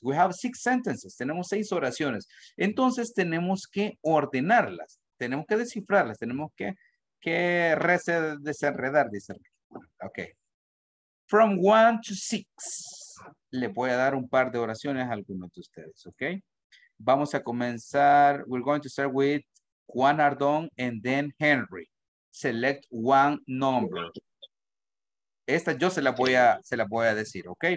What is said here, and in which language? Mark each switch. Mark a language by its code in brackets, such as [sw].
[en] We have six sentences, [es] tenemos seis oraciones. Entonces tenemos que ordenarlas, tenemos que descifrarlas, tenemos que desenredar, dice. Ok. [en] From one to six. [es] Le voy a dar un par de oraciones a algunos de ustedes, ok. Vamos a comenzar, [en] we're going to start with Juan Ardón and then Henry. Select one number. [es] Esta yo se la voy a decir, ¿ok?